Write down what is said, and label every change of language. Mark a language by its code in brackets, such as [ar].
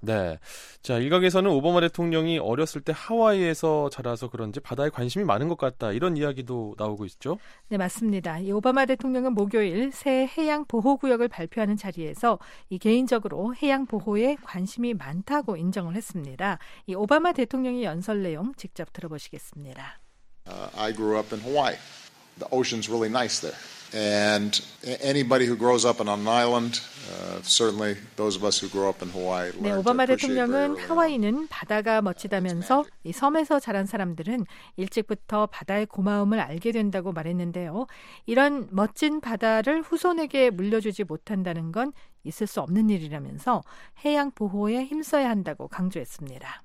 [ko] 네, 자 일각에서는 오바마 대통령이 어렸을 때 하와이에서 자라서 그런지 바다에 관심이 많은 것 같다 이런 이야기도 나오고 있죠. 네, 맞습니다. 이 오바마 대통령은 목요일 새 해양 보호 구역을 발표하는 자리에서 이 개인적으로 해양 보호에 관심이 많다고 인정을 했습니다. 이 오바마 대통령의 연설 내용 직접 들어보시겠습니다. [en] I grew up in Hawaii. The ocean's really nice there. And anybody who grows up on an island, certainly those of us who grow up in Hawaii. [ko] 네, 오바마 대통령은 하와이는 바다가 멋지다면서 이 섬에서 자란 사람들은 일찍부터 바다의 고마움을 알게 된다고 말했는데요. 이런 멋진 바다를 후손에게 물려주지 못한다는 건 있을 수 없는 일이라면서 해양 보호에 힘써야 한다고 강조했습니다.